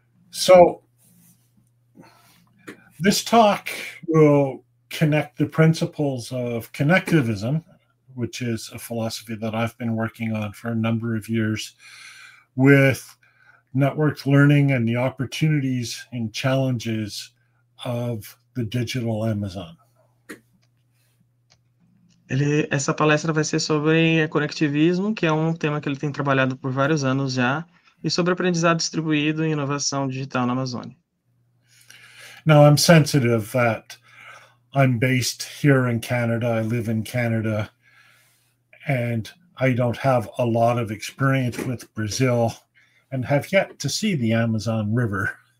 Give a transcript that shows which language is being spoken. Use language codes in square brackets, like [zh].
[en] So, this talk will connect the principles of connectivism, which is a philosophy that I've been working on for a number of years, with networked learning and the opportunities and challenges of the digital Amazon. [pt] Essa palestra vai ser sobre conectivismo, que é um tema que ele tem trabalhado por vários anos já, e sobre aprendizado distribuído e inovação digital na Amazônia. [en] Now, I'm sensitive that I'm based here in Canada, I live in Canada, and I don't have a lot of experience with Brazil and have yet to see the Amazon River.